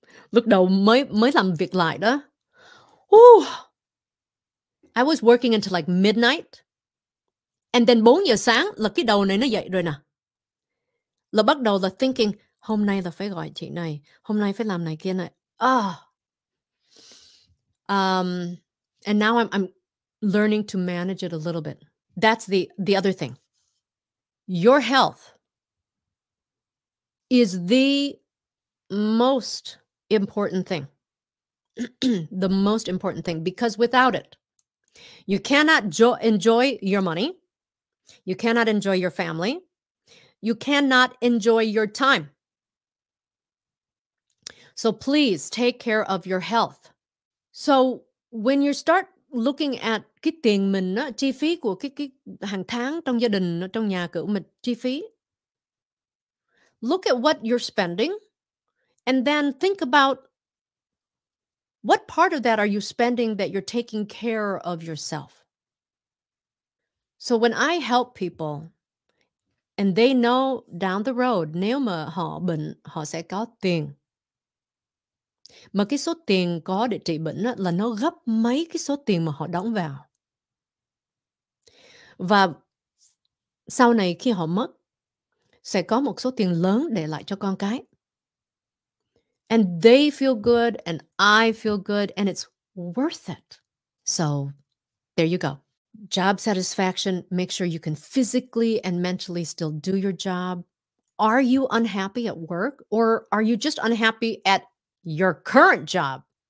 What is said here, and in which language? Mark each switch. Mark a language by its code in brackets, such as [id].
[vi] Lúc đầu mới làm việc lại đó. Ooh. [en] I was working until like midnight. And then [vi] 4 giờ sáng là cái đầu này nó dậy rồi nè. Là bắt đầu là thinking, hôm nay là phải gọi chị này, hôm nay phải làm này kia này. Oh. [en] And now I'm learning to manage it a little bit. That's the other thing. Your health is the most important thing. The most important thing. Because without it, you cannot enjoy your money. You cannot enjoy your family. You cannot enjoy your time. So please take care of your health. So when you start looking at [vi] cái tiền mình á, chi phí của cái hàng tháng trong gia đình, trong nhà cửa mình, chi phí. [en] Look at what you're spending and then think about what part of that are you spending that you're taking care of yourself. So when I help people and they know down the road, [vi] nếu mà họ bệnh, họ sẽ có tiền. Mà cái số tiền có để trị bệnh á, là nó gấp mấy cái số tiền mà họ đóng vào. Và sau này khi họ mất, sẽ có một số tiền lớn để lại cho con cái. [en] And they feel good and I feel good and it's worth it. So there you go. Job satisfaction, make sure you can physically and mentally still do your job. Are you unhappy at work or are you just unhappy at your current job?